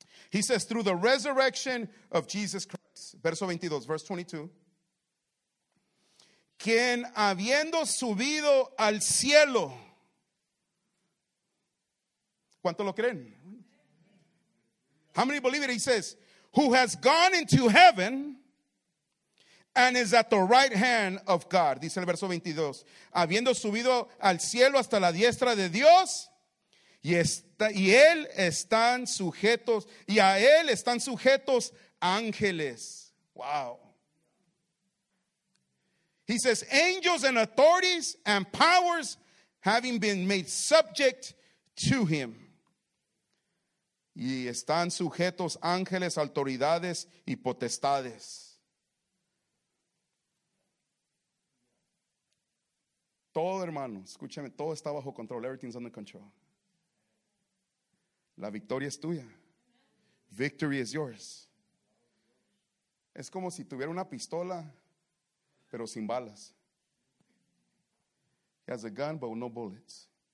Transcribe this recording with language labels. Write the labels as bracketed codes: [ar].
[en] He says, through the resurrection of Jesus Christ. [es] Verso 22, [en] verse 22. [es] Quien habiendo subido al cielo, ¿cuánto lo creen? [en] How many believe it? He says, who has gone into heaven and is at the right hand of God. [es] Dice el verso 22, habiendo subido al cielo hasta la diestra de Dios, y está, y él están sujetos, y a él están sujetos ángeles. Wow. [en] He says, angels and authorities and powers having been made subject to him. [es] Y están sujetos ángeles, autoridades y potestades. Todo, hermano, escúchame, todo está bajo control. [en] Everything's under control. [es] La victoria es tuya. [en] Victory is yours. [es] Es como si tuviera una pistola, pero sin balas. [en] He has a gun, but with no bullets.